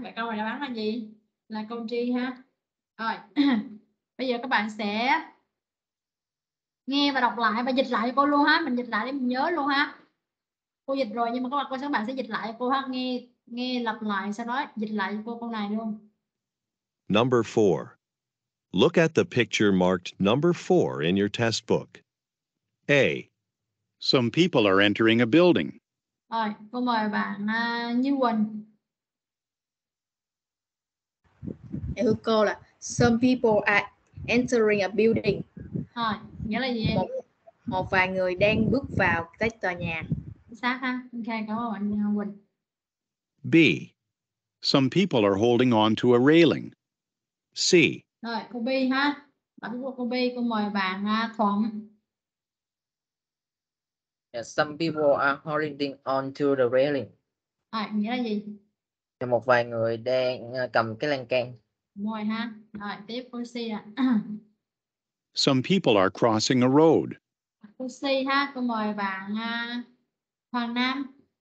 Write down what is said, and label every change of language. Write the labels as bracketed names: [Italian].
[Vietnamese] Vậy câu này đáp án là gì? Là câu D ha. Rồi. Bây giờ các bạn sẽ nghe và đọc lại và dịch lại cho cô luôn ha. Mình dịch lại để mình nhớ luôn ha. Cô dịch rồi nhưng mà các bạn sẽ dịch lại cho cô ha. Nghe lặp lại sau đó dịch lại cho cô câu này luôn. [English] Number 4. Look at the picture marked number 4 in your test book. A. Some people are entering a building. [Vietnamese] Rồi, cô mời bạn Như Quỳnh. Em hướng cô là [English] some people are entering a building. [Vietnamese] Rồi, nghĩa là gì? Một vài người đang bước vào cái tòa nhà. Sát ha, ok, cảm ơn bạn Như Quỳnh. [English] B. Some people are holding on to a railing. C. [Vietnamese] Rồi, cô B ha. Bạn của cô B, cô mời bạn Thuận. [English] Yeah, some people are holding on to the railing. [Vietnamese] Rồi, nghĩa là gì? Một vài người đang cầm cái lan can. Rồi ha. Rồi, tiếp cô C ạ. [English] Some people are crossing a road. [Vietnamese] Cô C ha, cô mời bạn Hoàng Nam.